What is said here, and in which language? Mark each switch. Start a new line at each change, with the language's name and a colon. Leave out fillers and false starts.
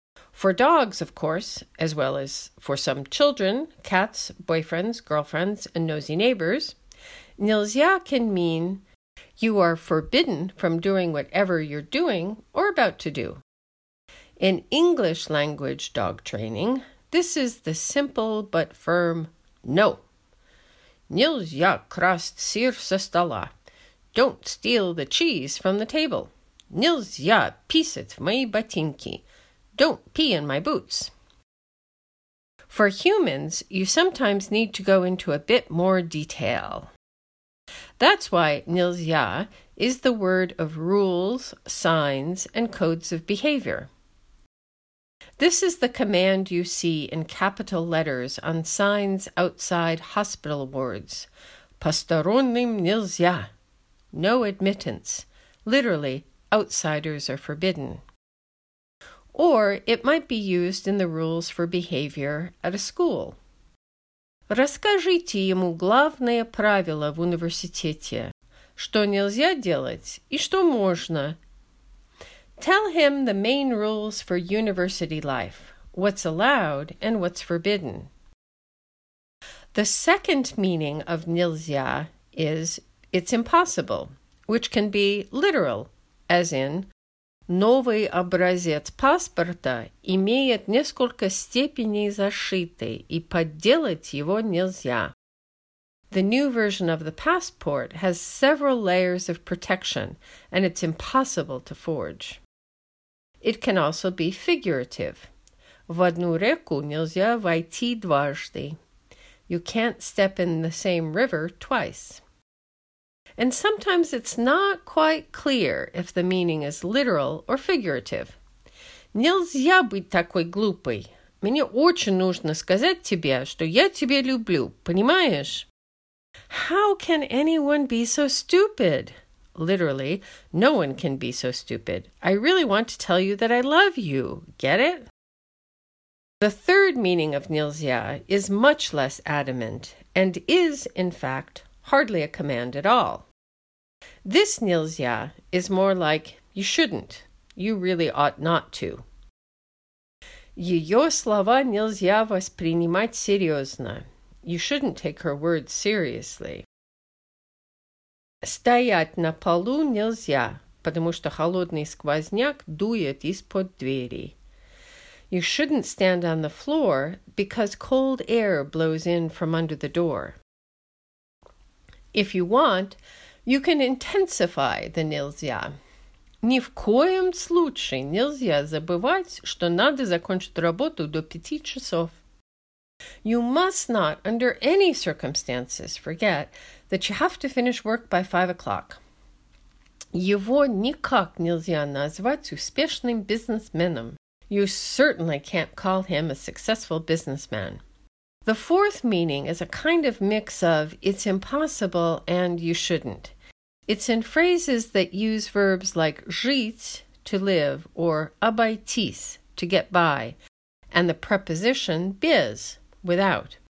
English: For dogs, of course, as well as for some children, cats, boyfriends, girlfriends, and nosy neighbors, нельзя can mean you are forbidden from doing whatever you're doing or about to do. In English language dog training, this is the simple but firm no.
Russian: Нельзя красть сыр со стола.
English: Don't steal the cheese from the table.
Russian: Нельзя писать в мои ботинки.
English: Don't pee in my boots. For humans, you sometimes need to go into a bit more detail. That's why нельзя is the word of rules, signs, and codes of behavior. This is the command you see in capital letters on signs outside hospital wards.
Russian: Посторонним нельзя.
English: No admittance. Literally, outsiders are forbidden. Or it might be used in the rules for behavior at a school.
Russian: Расскажите ему главные правила в университете. Что нельзя делать и что можно.
English: Tell him the main rules for university life, what's allowed and what's forbidden. The second meaning of нельзя is it's impossible, which can be literal, as in
Russian: новый образец паспорта имеет несколько степеней защиты, и подделать его нельзя.
English: The new version of the passport has several layers of protection, and it's impossible to forge. It can also be figurative.
Russian: В одну реку нельзя войти дважды.
English: You can't step in the same river twice. And sometimes it's not quite clear if the meaning is literal or figurative.
Russian: Нельзя быть такой глупой. Мне очень нужно сказать тебе, что я тебя люблю, понимаешь?
English: How can anyone be so stupid? Literally, no one can be so stupid. I really want to tell you that I love you. Get it? The third meaning of нельзя is much less adamant and is, in fact, hardly a command at all. This нельзя is more like you shouldn't. You really ought not to.
Russian: Ее слова нельзя воспринимать серьезно.
English: You shouldn't take her words seriously.
Russian: Стоять на полу нельзя, потому что холодный сквозняк дует из-под двери.
English: You shouldn't stand on the floor because cold air blows in from under the door. If you want, you can intensify the нельзя.
Russian: Ни в коем случае нельзя забывать, что надо закончить работу до 5 часов.
English: You must not, under any circumstances, forget that you have to finish work by 5 o'clock.
Russian: Его никак нельзя назвать успешным бизнесменом.
English: You certainly can't call him a successful businessman. The fourth meaning is a kind of mix of it's impossible and you shouldn't. It's in phrases that use verbs like жить, to live, or обойтись, to get by, and the preposition без, without.